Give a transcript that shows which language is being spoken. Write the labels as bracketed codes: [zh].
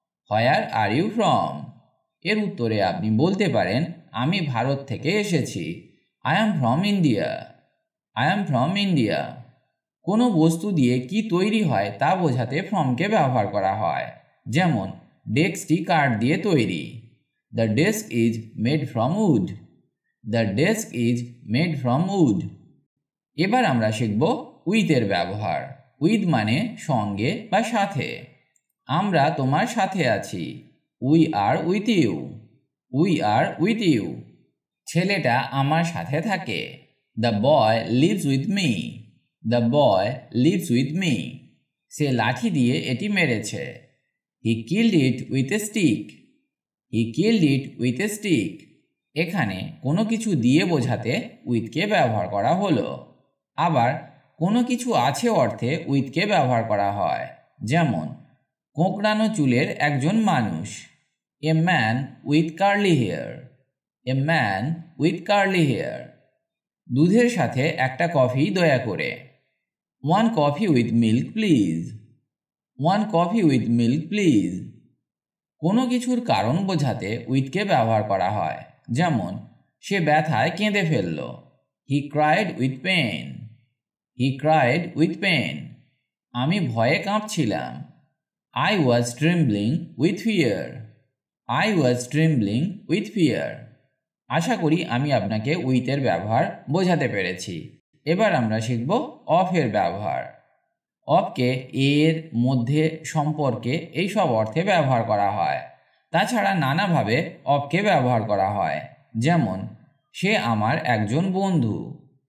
[en] Where are you from. [bn] এর উত্তরে আপনি বলতে পারেন, আমি ভারত থেকে এসেছি। [en] I am from India. [bn] I am from India. কোনো বস্তু দিয়ে কি তৈরি হয় তা বোঝাতে ফ্রমকে ব্যবহার করা হয়, যেমন ডেস্কটি কাঠ দিয়ে তৈরি। [en] The desk is made from wood. The desk is made from wood. [bn] এবার আমরা শিখব with এর ব্যবহার। With মানে সঙ্গে বা সাথে। আমরা তোমার সাথে আছি। [en] We are with you. We are with you. [bn] ছেলেটা আমার সাথে থাকে। [en] The boy lives with me. The boy lives with me. [bn] সে লাঠি দিয়ে এটি মেরেছে। [en] He killed it with a stick. He killed it with a stick. [bn] এখানে কোনো কিছু দিয়ে বোঝাতে উইথকে ব্যবহার করা হলো। আবার কোনো কিছু আছে অর্থে উইথকে ব্যবহার করা হয়। যেমন কোঁকড়ানো চুলের একজন মানুষ। [en] A man with curly hair. A man with curly hair. [bn] দুধের সাথে একটা কফি দয়া করে। [en] One coffee with milk, please. One coffee with milk, please. [bn] কোনো কিছুর কারণ বোঝাতে উইথকে ব্যবহার করা হয়। যেমন সে ব্যথায় কেঁদে ফেলল। [en] He cried with pain. He cried with pain. [bn] আমি ভয়ে কাঁপছিলাম। [en] I was trembling with fear. I was trembling with fear. [bn] আশা করি আমি আপনাকে উইথের ব্যবহার বোঝাতে পেরেছি। এবার আমরা শিখব অফের ব্যবহার। অফকে এর মধ্যে সম্পর্কে এই সব অর্থে ব্যবহার করা হয়। তাছাড়া নানাভাবে অফকে ব্যবহার করা হয়। যেমন সে আমার একজন বন্ধু।